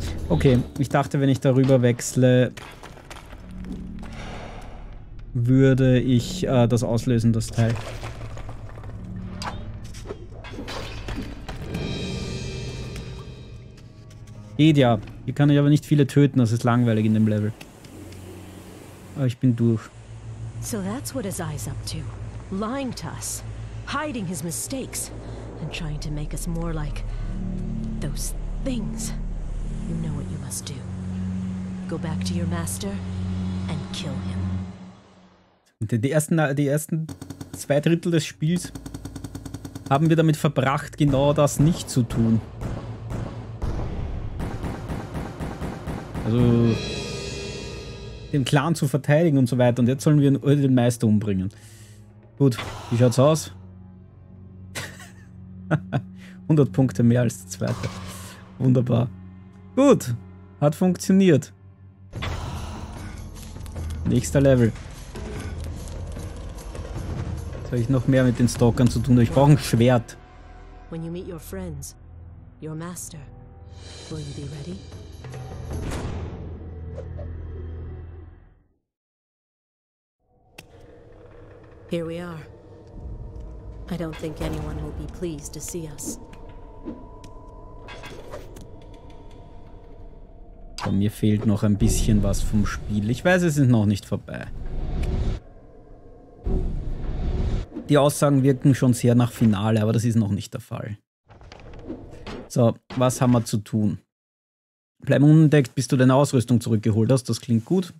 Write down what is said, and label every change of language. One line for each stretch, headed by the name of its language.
German: Okay, ich dachte, wenn ich darüber wechsle, würde ich das auslösen, das Teil. Geht ja. Hier kann ich aber nicht viele töten, das ist langweilig in dem Level. Aber ich bin durch.
English: So that's what his eyes up to. Lying to us, hiding his mistakes and trying to make us more like those things. You know what you must do. Go back to your master and kill him.
German: Die ersten zwei Drittel des Spiels haben wir damit verbracht, genau das nicht zu tun. Also den Clan zu verteidigen und so weiter. Und jetzt sollen wir den Meister umbringen. Gut, wie schaut's aus? 100 Punkte mehr als der zweite. Wunderbar. Gut, hat funktioniert. Nächster Level. Jetzt habe ich noch mehr mit den Stalkern zu tun. Ich brauche ein Schwert.
English: When you meet your friends, your master, will you be ready? Here we are. I don't think anyone will be pleased to see us.
German: Mir fehlt noch ein bisschen was vom Spiel. Ich weiß, es ist noch nicht vorbei. Die Aussagen wirken schon sehr nach Finale, aber das ist noch nicht der Fall. So, was haben wir zu tun? Bleib unentdeckt, bis du deine Ausrüstung zurückgeholt hast. Das klingt gut.